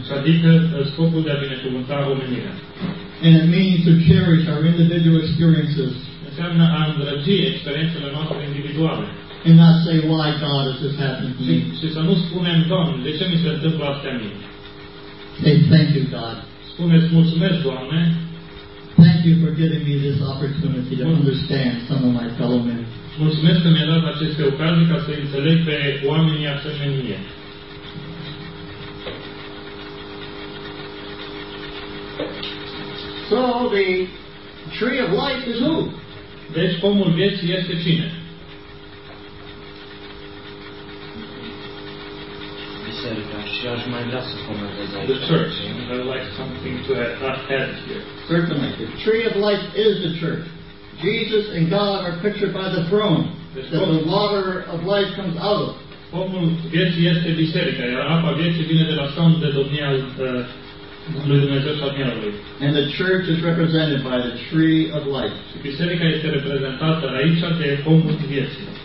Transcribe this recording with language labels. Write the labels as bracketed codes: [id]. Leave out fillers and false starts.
[ro] Și adică scopul de a binecuvânta omenirea. [en] And it means to cherish our individual experiences. [ro] Înseamnă a îndrăgi experiențele noastre individuale. [en] And not say, why God has this happened to me. [ro] Și să nu spunem, Doamne, de ce mi se întâmplă astea mie? [en] Say, thank you, God. [ro] Spuneți, mulțumesc, Doamne. [en] Thank you for giving me this opportunity to understand some of my fellow men. [ro] Mulțumesc că mi-a dat aceste ocazii ca să înțeleg pe oamenii asemenea. [en] So, the tree of life is who? [ro] Deci pomul vieții este cine? Biserica. Și aș mai vrea să comentez aici. [en] The church. And I'd like something to add here. Certainly. The tree of life is the church. Jesus and God are pictured by the throne. That the water of life comes out of. [ro] Pomul vieții este biserica, iar apa vieții vine de la scaunul de domnia lui Dumnezeu și al mielului. [en] And the church is represented by the tree of life. [ro] Biserica este reprezentată aici de pomul vieții.